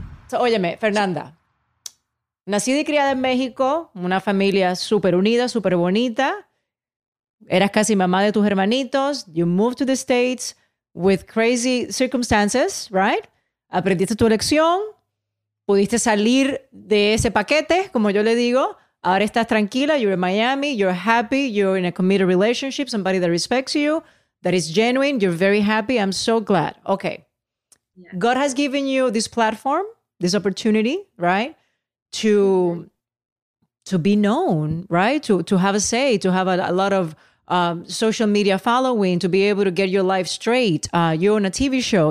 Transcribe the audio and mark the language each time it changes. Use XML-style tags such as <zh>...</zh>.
<es>So, óyeme, Fernanda, nacida y criada en México, una familia súper unida, súper bonita. Eras casi mamá de tus hermanitos.</es> <en>You moved to the States with crazy circumstances, right?</en> <es>Aprendiste tu lección, pudiste salir de ese paquete, como yo le digo. Ahora estás tranquila,</es> <en>you're in Miami, you're happy, you're in a committed relationship, somebody that respects you, that is genuine, you're very happy. I'm so glad. Okay. Yeah. God has given you this platform. This opportunity, right, to be known, right, to have a say, to have a lot of social media following, to be able to get your life straight. You're on a TV show.</en>